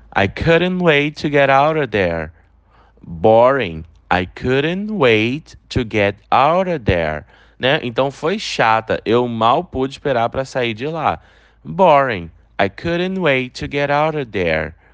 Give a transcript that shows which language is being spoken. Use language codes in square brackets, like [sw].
[en] I couldn't wait to get out of there. Boring. I couldn't wait to get out of there. Né? [pt] Então foi chata, eu mal pude esperar para sair de lá. [en] Boring, I couldn't wait to get out of there.